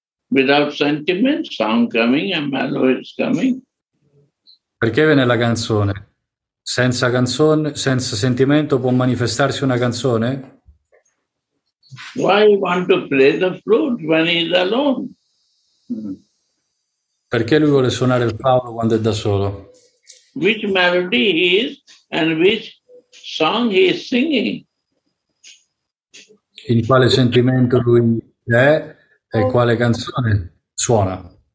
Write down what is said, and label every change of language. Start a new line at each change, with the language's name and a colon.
English: Without sentiment, song coming and melody is coming.
Italian: Perché viene la canzone? Senza canzone, senza sentimento può manifestarsi una canzone?
English: Why want to play the flute when he's alone?
Italian: Perché lui vuole suonare il flauto quando è da solo?
English: Which melody he is and which song he is singing?
Italian: In quale sentimento lui è e quale canzone suona?